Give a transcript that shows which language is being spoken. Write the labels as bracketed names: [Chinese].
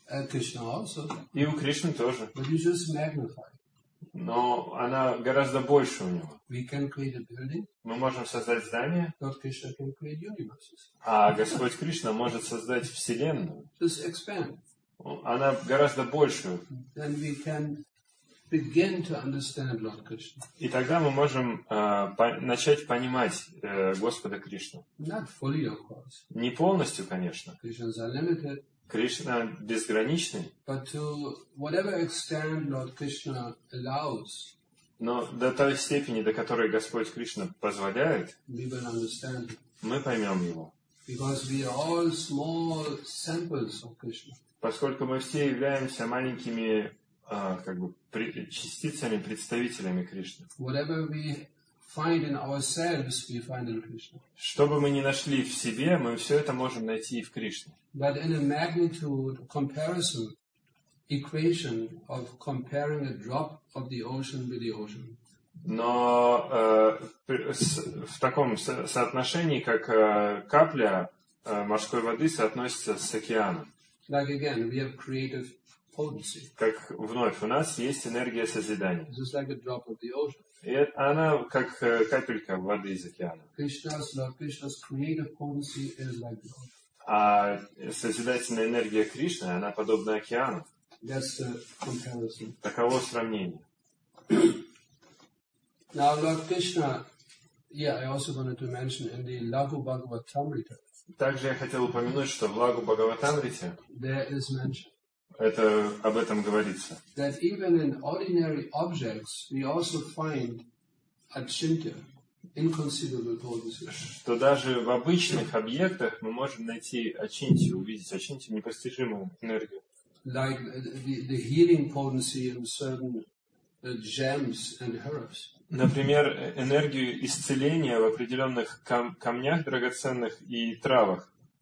[English] And Krishna also. [Russian] И у Кришны тоже. [English] But you just magnify. [Russian] Но она гораздо больше у него. [English] We can create a building. [Russian] Мы можем создать здание. [English] But Krishna can create universes. [Russian] А Господь Кришна может создать Вселенную. [English] Just expand. [Russian] Она гораздо больше. [English] Then we can begin to understand Lord Krishna. [Russian] И тогда мы можем начать понимать Господа Кришну. [English] Not fully, of course. [Russian] Не полностью, конечно. [English] Krishna is unlimited. [Russian] Кришна безграничный. [English] But to whatever extent Lord Krishna allows. [Russian] Но до той степени, до которой Господь Кришна позволяет, [English] we will understand. [Russian] Мы поймем его. [English] Because we are all small samples of Krishna. [Russian] Поскольку мы все являемся маленькими как бы частицами, представителями Кришны. [English] Whatever we find in ourselves, we find in Krishna. [Russian] Что бы мы ни нашли в себе, мы все это можем найти и в Кришне. [English] But in a magnitude comparison, equation of comparing a drop of the ocean with the ocean. [Russian] Но в таком соотношении, как капля морской воды соотносится с океаном. [English] Like again, we have creative potency. [Russian] Как вновь, у нас есть энергия созидания. [English] Just like a drop of the ocean. [Russian] И она как капелька воды из океана. [English] Krishna's, Lord Krishna's creative potency is like the ocean. [Russian] А созидательная энергия Кришны, она подобна океану. [English] That's the comparison. [Russian] Таково сравнение. [English] Now, Lord Krishna, yeah, I also wanted to mention in the Laghu Bhagavatamrita. [Russian] Также я хотел упомянуть, что в Лагу Бхагаватамрите [English] there is mention. [Russian] Это об этом говорится. [English] That even in ordinary objects, we also find achintya, inconceivable potency. [Russian] Что даже в обычных объектах мы можем найти ачинтию, увидеть ачинтию, непостижимую энергию. [English] Like the healing potency in certain gems and herbs. [Russian] Например, энергию исцеления в определенных камнях драгоценных и травах.